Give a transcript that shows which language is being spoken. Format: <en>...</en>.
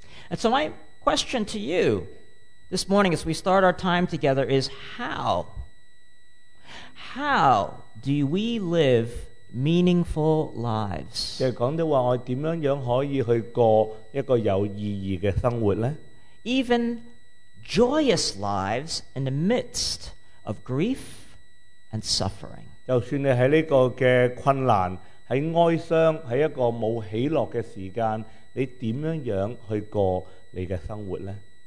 <en>And so my question to you this morning as we start our time together is how do we live meaningful lives?</en> <yue>即係講到話我點樣樣可以去過一個有意義嘅生活呢？</yue> <en>Even joyous lives in the midst of grief and suffering.</en> <yue>就算你喺呢個嘅困難，喺哀傷，喺一個冇喜樂嘅時間，你點樣樣去過你嘅生活呢？</yue>